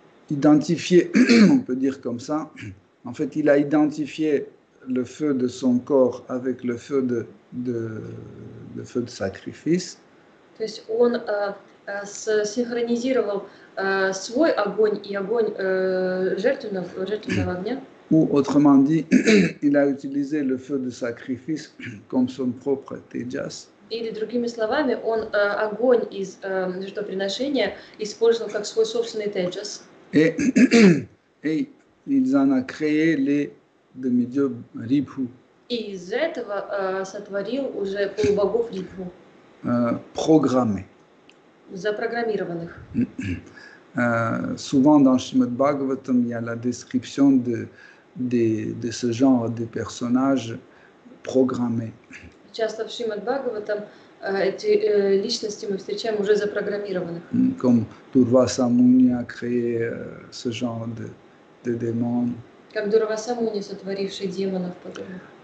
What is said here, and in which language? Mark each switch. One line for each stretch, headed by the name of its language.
French: Identifier, on peut dire comme ça. En fait, il a identifié le feu de son corps avec le feu de feu de sacrifice.
Russian: То есть он синхронизировал свой огонь и огонь жертвенного огня.
French: Ou autrement dit, il a utilisé le feu de sacrifice comme son propre tejas.
Russian: Или другими словами, он огонь из жертвоприношения использовал как свой собственный теджас.
French: Et ils en a créé les demi-dieux Рибху.
Russian: И из этого сотворил уже полубогов Рибху. Программе. Запрограммированных.
French: Souvent dans Srimad Bhagavatam, il y a la description de ce genre de personnages programmés.
Russian: Часто в Шримад Бхагаватам эти личности мы встречаем уже запрограммированных.
French: Comme Durvasa Muni a créé ce genre de démons.
Russian: Comme Durvasa Muni, сотворивший демонов подобных.